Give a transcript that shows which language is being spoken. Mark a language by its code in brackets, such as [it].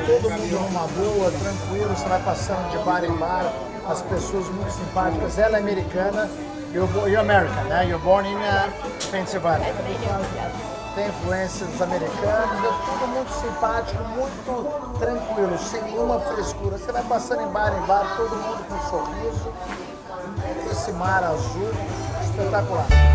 [pt] Todo mundo numa boa, tranquilo, você vai passando de bar em bar, as pessoas muito simpáticas. Ela é americana, [en] you're American, [pt] né? [en] You're born in Pennsylvania. [pt] Tem influência dos americanos, é tudo muito simpático, muito tranquilo, sem nenhuma frescura. Você vai passando em bar, todo mundo com um sorriso. Esse mar azul, espetacular.